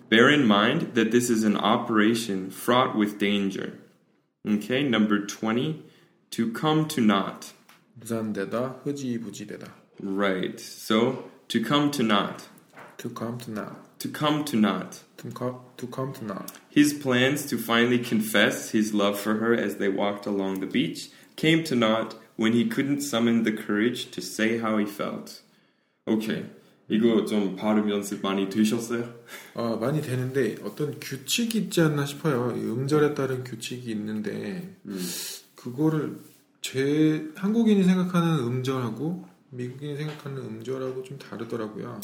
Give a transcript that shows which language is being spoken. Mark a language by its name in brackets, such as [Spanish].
[English] Bear in mind that this is an operation fraught with danger. Okay, number 20. To come to naught. [Korean] 무산되다, 흐지부지되다. [English] Right. So, to come to naught. To come to naught. To come to naught. To come to naught. His plans to finally confess his love for her as they walked along the beach came to naught when he couldn't summon the courage to say how he felt. Okay. [Korean] 이거 좀 발음 연습 많이 되셨어요? 아, 많이 되는데 어떤 규칙이 있지 않나 싶어요. 음절에 따른 규칙이 있는데 그거를 제 한국인이 생각하는 음절하고 미국인이 생각하는 음절하고 좀 다르더라고요.